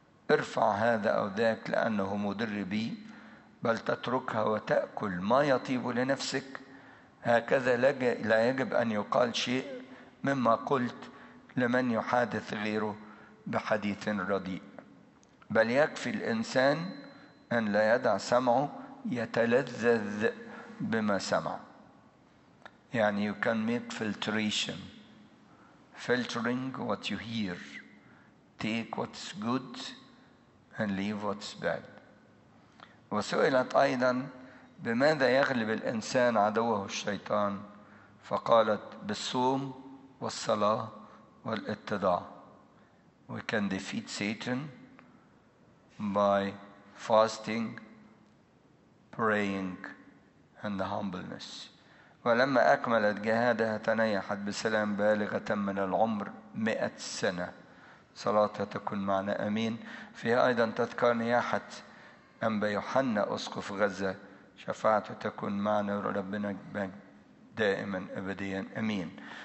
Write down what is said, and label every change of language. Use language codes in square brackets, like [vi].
[ar] ارفع هذا أو ذاك لأنه مضر بي، بل تتركها وتأكل ما يطيب لنفسك، هكذا لا يجب أن يقال شيء مما قلت لمن يحادث غيره بحديث رديء، بل يكفي الإنسان أن لا يدع سمعه يتلذذ بما سمع. [en] يعني you can make filtration, filtering what you hear, take what's good and leave what's bad. [ar] وسئلت أيضا: بماذا يغلب الإنسان عدوه الشيطان؟ فقالت: بالصوم والصلاة والاتضاع. [en] We can defeat Satan by fasting, praying and the humbleness. [ar] ولما أكملت جهادها تنيحت بسلام بالغة من العمر 100 سنة. صلاتها تكون معنا أمين. فيها أيضا تذكر نياحة أنبا يوحنا أسقف غزة، شفاعته تكون معنا ربنا دائما أبديا أمين.